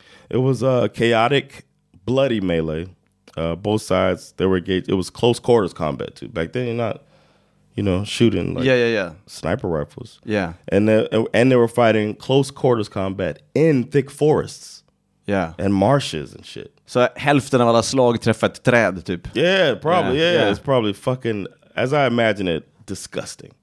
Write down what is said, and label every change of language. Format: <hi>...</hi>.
<en>It was a chaotic, bloody melee. Both sides, they were engaged. It was close quarters combat, too. Back then, you're not, you know, shooting like sniper rifles. Yeah. And they were fighting close quarters combat in thick forests. Yeah. And marshes and shit.</en> <sv>So hälften av alla slag träffat träd, typ.</sv> <en>Yeah, probably. Yeah. It's probably fucking, as I imagine it, disgusting.</en>